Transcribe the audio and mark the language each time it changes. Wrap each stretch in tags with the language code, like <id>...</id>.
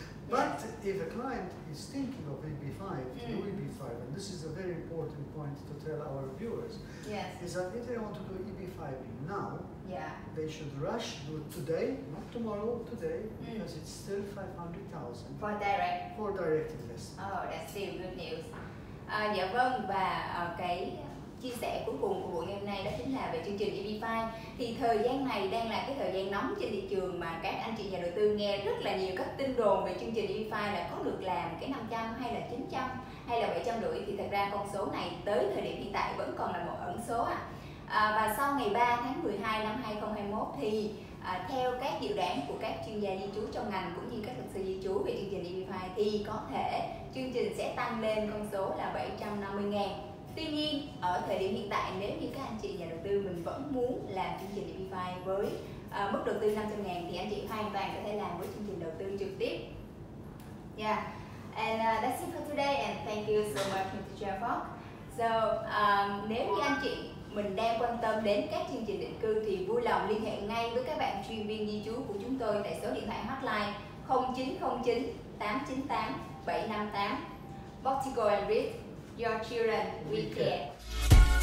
<en>But if a client is thinking of EB5, do EB5, and this is a very important point to tell our viewers, yes, is that if they want to do EB5 now, yeah, they should rush to today, not tomorrow, today, because it's still 500,000 for direct investment. Oh, that's still good news.</en> <vi>Dạ vâng, và cái chia sẻ cuối cùng của buổi ngày hôm nay đó chính là về chương trình EB5. Thì thời gian này đang là cái thời gian nóng trên thị trường mà các anh chị nhà đầu tư nghe rất là nhiều các tin đồn về chương trình EB5 là có được làm cái 500 hay là 900 hay là 700 rưỡi. Thì thật ra con số này tới thời điểm hiện tại vẫn còn là một ẩn số ạ. Và sau ngày 3 tháng 12 năm 2021 thì theo các dự đoán của các chuyên gia di trú trong ngành cũng như các luật sư di trú về chương trình EB5 thì có thể chương trình sẽ tăng lên con số là 750.000. Tuy nhiên, ở thời điểm hiện tại, nếu như các anh chị nhà đầu tư mình vẫn muốn làm chương trình EB5 với mức đầu tư 500.000 thì anh chị hoàn toàn có thể làm với chương trình đầu tư trực tiếp.</vi> <en>Yeah, and that's it for today and thank you so much, Mr. Jeffock.</en> <vi>So, nếu như anh chị mình đang quan tâm đến các chương trình định cư thì vui lòng liên hệ ngay với các bạn chuyên viên di trú của chúng tôi tại số điện thoại hotline 0909 898 758.</vi> <en>Vertigo and Reed, your children we care.</en>